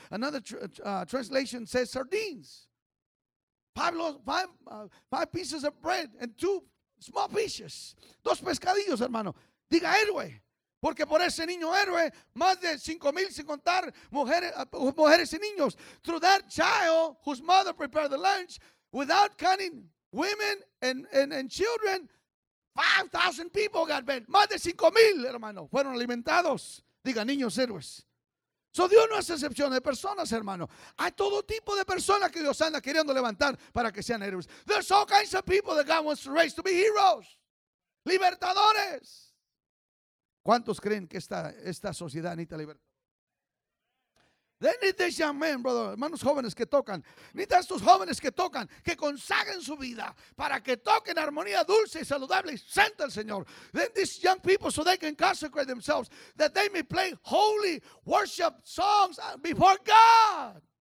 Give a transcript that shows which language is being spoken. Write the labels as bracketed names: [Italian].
[English] Another translation says sardines. Five pieces of bread and two small fishes. [Spanish] Dos pescadillos, hermano. Diga héroe. Porque por ese niño héroe, más de 5,000 sin contar mujeres y niños. [English] Through that child whose mother prepared the lunch, without counting women and children, 5,000 people got fed. [Spanish] Más de 5,000, hermano, fueron alimentados. Diga, niños héroes. So Dios no hace excepción de personas, hermano. Hay todo tipo de personas que Dios anda queriendo levantar para que sean héroes. [English] There's all kinds of people that God wants to raise to be heroes. [Spanish] Libertadores. ¿Cuántos creen que esta sociedad necesita libertad? [English] Need these young men, brother, [Spanish] hermanos jóvenes que tocan. Necesita estos jóvenes que tocan, que consagren su vida para que toquen armonía dulce y saludable y santa al Señor. [English] Then these young people, so they can consecrate themselves, that they may play holy worship songs before God.